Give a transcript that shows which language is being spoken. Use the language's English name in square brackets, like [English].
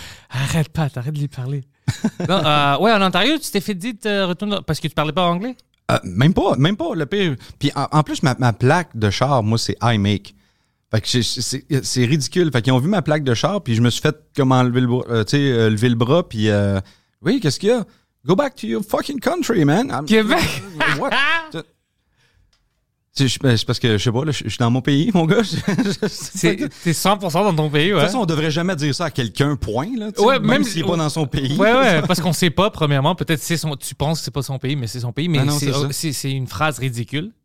[French] Arrête pas, t'arrêtes de lui parler. Non, ouais, en Ontario, tu t'es fait dire de retourner parce que tu parlais pas anglais? Même pas, le pire. Puis en plus, ma plaque de char, moi, c'est « I make ». Fait que c'est ridicule. Fait qu'ils ont vu ma plaque de char, puis je me suis fait comme lever le bras, puis oui, qu'est-ce qu'il y a? [English] Go back to your fucking country, man. [French] Québec! [English] What? [French] C'est parce que, je sais pas, je suis dans mon pays, mon gars. T'es 100% dans ton pays, ouais. De toute façon, on devrait jamais dire ça à quelqu'un, point, là. Ouais, même s'il n'est pas dans son pays. Ouais, ouais, parce qu'on sait pas, premièrement. Peut-être tu penses que c'est pas son pays, mais c'est son pays. Mais ah non, c'est une phrase ridicule.